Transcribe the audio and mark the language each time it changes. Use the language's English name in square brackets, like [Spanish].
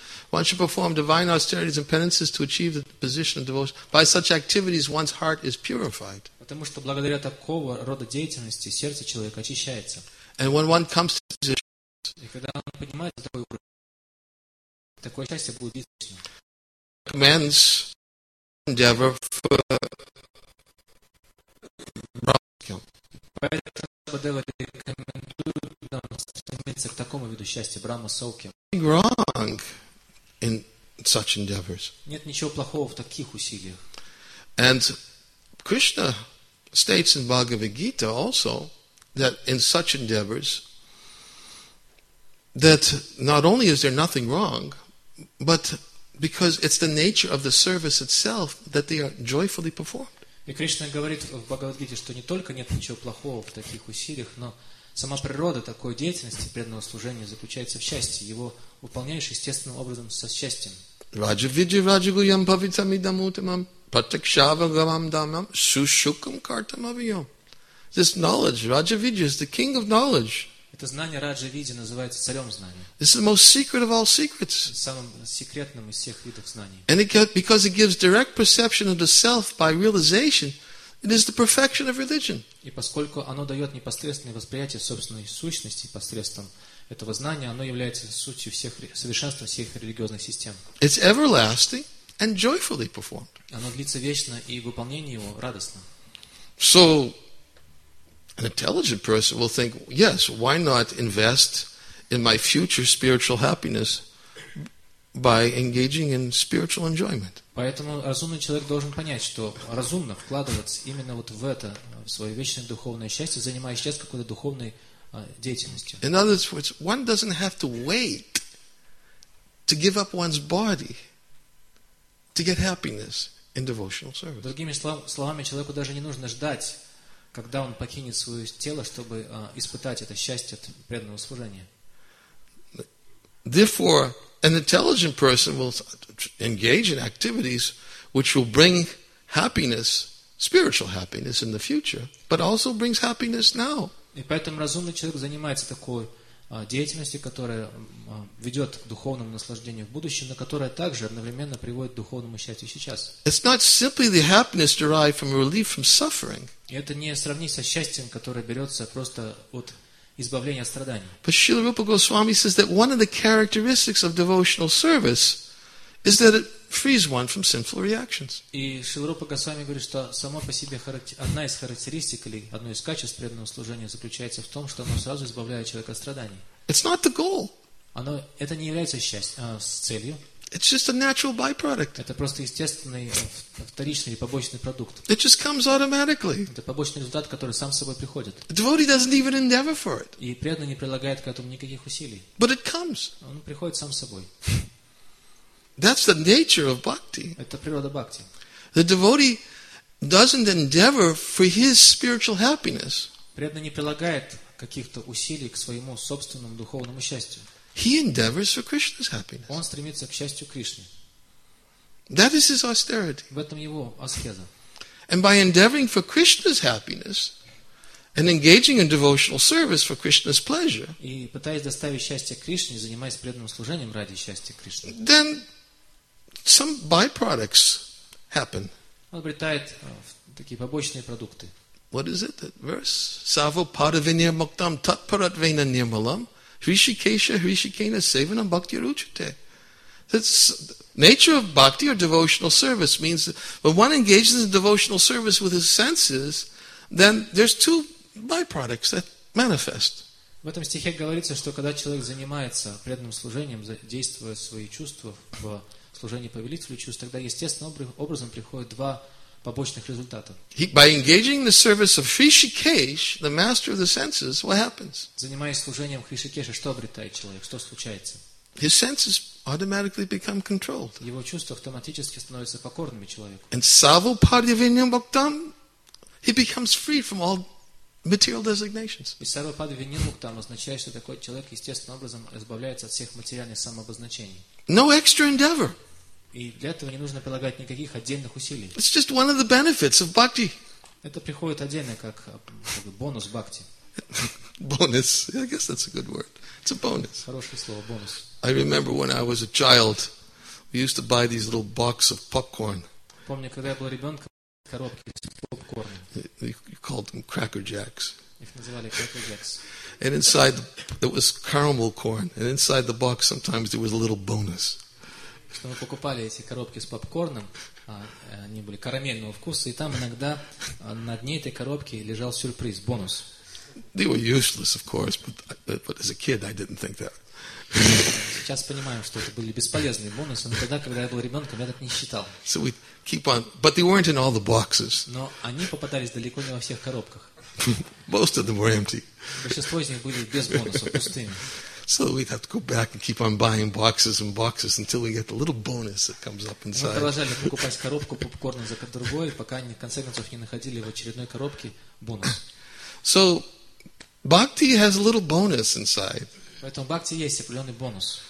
[English] One should perform divine austerities and penances to achieve the position of devotion. By such activities, one's heart is purified. [Russian] Потому что благодаря такого рода деятельности сердце человека очищается. [English] And when one comes to this position, [Russian] и когда он поднимается на такой уровень, такое счастье будет вечным. [English] Commands endeavor for Brahmasaukhyam. [Russian] Поэтому рекомендуют нам стремиться к такому виду счастья Брахмасаукьям. [English] Nothing wrong in such endeavors. [Russian] Нет ничего плохого в таких усилиях. [English] And Krishna states in Bhagavad Gita also that in such endeavors that not only is there nothing wrong, but because it's the nature of the service itself that they are joyfully performed. [Russian] И Кришна говорит в Бхагавад-гите, что не только нет ничего плохого в таких усилиях, но сама природа такой деятельности преданного служения заключается в счастье, его выполняешь естественным образом со счастьем. [Sanskrit] Раджа виджи раджа гуям павитам идам утамам патакшава гавам дамам сушукам картам авиям. [English] This knowledge, Raja Vidya is the king of knowledge. [Russian] Это знание Раджа Види называется царем знания. [English] This is the most secret of all secrets. [Russian] Самым секретным из всех видов знаний. [English] And because it gives direct perception of the self by realization, it is the perfection of religion. [Russian] И поскольку оно дает непосредственное восприятие собственной сущности посредством этого знания, оно является сутью всех совершенства всех религиозных систем. [English] It's everlasting and joyfully performed. [Russian] Оно длится вечно и выполнение его радостно. [English] So an intelligent person will think, yes, why not invest in my future spiritual happiness by engaging in spiritual enjoyment. [Russian] Поэтому разумный человек должен понять, что разумно вкладываться именно вот в это, в свое вечное духовное счастье, занимаясь сейчас какой-то духовной деятельностью. [English] In other words, one doesn't have to wait to give up one's body to get happiness in devotional service. [Russian] Другими словами, человеку даже не нужно ждать, когда он покинет свое тело, чтобы испытать это счастье от преданного служения. [English] Therefore, an intelligent person will engage in activities which will bring happiness, spiritual happiness in the future, but also brings happiness now. [Russian] И поэтому разумный человек занимается такой деятельностью, которая ведет к духовному наслаждению в будущем, но которая также одновременно приводит к духовному счастью сейчас. [English] It's not simply the happiness derived from relief from suffering. [Russian] И это не сравнить со счастьем, которое берется просто от избавления от страданий. [English] But Srila Rupa Goswami says that one of the characteristics of devotional service is that it frees one from sinful reactions. [Russian] И Шрила Рупа Госвами говорит, что само по себе одна из характеристик или одно из качеств преданного служения заключается в том, что оно сразу избавляет человека от страданий. [English] It's not the goal. [Russian] Оно это не является счастьем, целью. [English] It's just a natural byproduct. [Russian] Это просто естественный вторичный или побочный продукт. [English] It just comes automatically. [Russian] Это побочный результат, который сам с собой приходит. [English] The devotee doesn't even endeavor for it. [Russian] И преданный не прилагает к этому никаких усилий. [English] But it comes. [Russian] Он приходит сам собой. [English] That's the nature of bhakti. [Russian] Это природа бхакти. [English] The devotee doesn't endeavor for his spiritual happiness. [Russian] Преданный не прилагает каких-то усилий к своему собственному духовному счастью. [English] He endeavors for Krishna's happiness. [Russian] Он стремится к счастью Кришны. [English] That is his austerity. [Russian] В этом его аскеза. [English] And by endeavoring for Krishna's happiness and engaging in devotional service for Krishna's pleasure, [Russian] и пытаясь доставить счастье Кришне, занимаясь преданным служением ради счастья Кришны, [English] then some byproducts happen. [Russian] Он обретает такие побочные продукты. [English] What is it? That verse? [Sanskrit] Sarva paravinir muktam tat paratvena nirmalam Hrishikesha Hrishikena Sevanam Bhakti Ruchate. [English] That's the nature of bhakti or devotional service means that when one engages in devotional service with his senses, then there's two byproducts that manifest. [Russian] В этом стихе говорится, что когда человек занимается преданным служением, действуя свои чувства в служении повелителю чувств, тогда естественным образом приходят два побочных результата. [English] By engaging the service of Hrishikesh, the master of the senses, what happens? [Russian] Занимаясь служением Хришикеша, что обретает человек? Что случается? [English] His senses automatically become controlled. [Russian] Его чувства автоматически становятся покорными человеку. [English] And [Sanskrit] savo padivinyam bhaktam, [English] he becomes free from all material designations. [Russian] И [Sanskrit] savo padivinyam bhaktam [Russian] означает, что такой человек естественным образом избавляется от всех материальных самообозначений. [English] No extra endeavor. [Russian] И для этого не нужно прилагать никаких отдельных усилий. [English] It's just one of the benefits of bhakti. [Russian] Это приходит отдельно, как бонус бхакти. [English] Bonus. I guess that's a good word. It's a bonus. [Russian] Хорошее слово, бонус. [English] I remember when I was a child, we used to buy these little box of popcorn. [Russian] Помню, когда я был ребенком, коробки с попкорном. [English] You called them Cracker Jacks. [Russian] Их называли Cracker Jacks. [English] And inside, there was caramel corn. And inside the box, sometimes there was a little bonus. [Russian] Что мы покупали эти коробки с попкорном, они были карамельного вкуса, и там иногда на дне этой коробки лежал сюрприз, бонус. [English] They were useless, of course, but as a kid I didn't think that. [Russian] Сейчас понимаю, что это были бесполезные бонусы, но тогда, когда я был ребенком, я так не считал. [English] So we keep on, but they weren't in all the boxes. [Russian] Но они попадались далеко не во всех коробках. [English] Most of them were empty. [Russian] Большинство из них были без бонусов, пустыми. [English] So we'd have to go back and keep on buying boxes and boxes until we get the little bonus that comes up inside. [Russian] Мы продолжали покупать коробку попкорна за другой, пока в конце концов не находили в очередной коробке бонус. [English] So bhakti has a little bonus inside. [Russian] Поэтому бхакти есть определенный бонус.